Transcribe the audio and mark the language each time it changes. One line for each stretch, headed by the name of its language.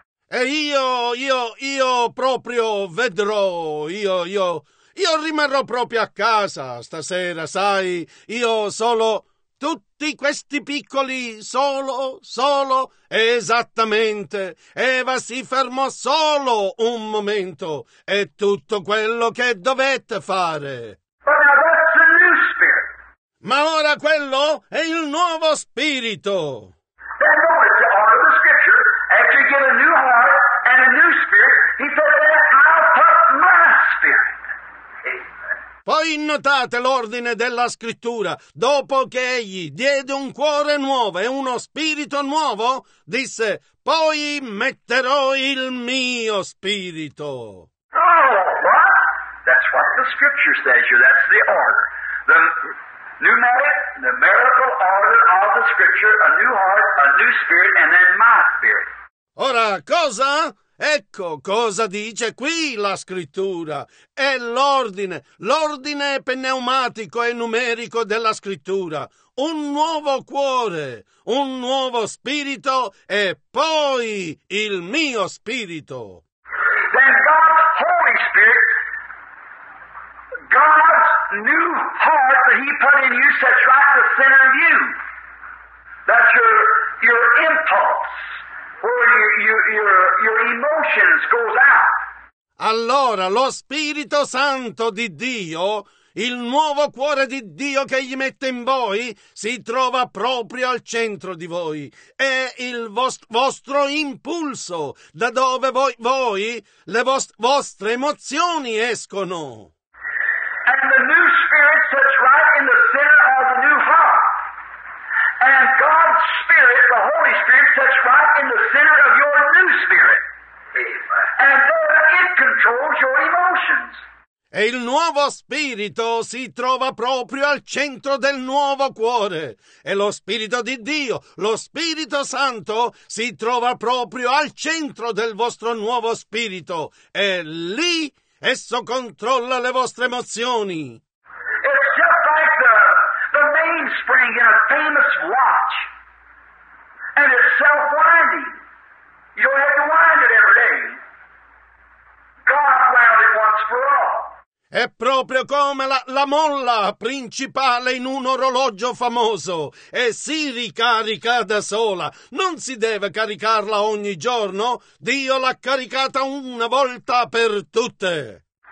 Italian: E io proprio vedrò, io rimarrò proprio a casa stasera, sai, io solo, tutti questi piccoli, solo, esattamente. Eva si fermò solo un momento, è tutto quello che dovette fare.
English: But now that's the new spirit.
Italian: Ma ora quello è il nuovo spirito.
English: Then go to the heart of the scripture, after you get a new heart and a new spirit, he said, I'll put my spirit.
Italian: Poi notate l'ordine della scrittura. Dopo che egli diede un cuore nuovo e uno spirito nuovo, disse, poi metterò il mio spirito.
English: Oh, what? That's what the scripture says. That's the order. The pneumatic, numerical order of the scripture, a new heart, a new spirit, and then my spirit.
Italian: Ora, cosa? Ecco cosa dice qui la scrittura, è l'ordine pneumatico e numerico della scrittura, un nuovo cuore, un nuovo spirito e poi il mio spirito.
English: Then God's Holy Spirit, God's new heart that he put in you sets right the center of you, that's your impulse. Your emotions goes out.
Italian: Allora lo Spirito Santo di Dio, il nuovo cuore di Dio che gli mette in voi, si trova proprio al centro di voi. È il vostro impulso, da dove voi le vostre emozioni escono.
English: And the new spirit sits right in the center of the new heart. And God's spirit, the Holy Spirit, sits right in the center of your new spirit. And it controls your emotions.
Italian: E il nuovo spirito si trova proprio al centro del nuovo cuore. E lo Spirito di Dio, lo Spirito Santo, si trova proprio al centro del vostro nuovo spirito. E lì esso controlla le vostre emozioni.
English: It's just like the mainspring in a famous watch. And it's self-winding. You don't have to wind it every day. God wound it once for all.
Italian: È proprio come la molla principale in un orologio famoso e si ricarica da sola. Non si deve caricarla ogni giorno. Dio l'ha caricata una volta per tutte.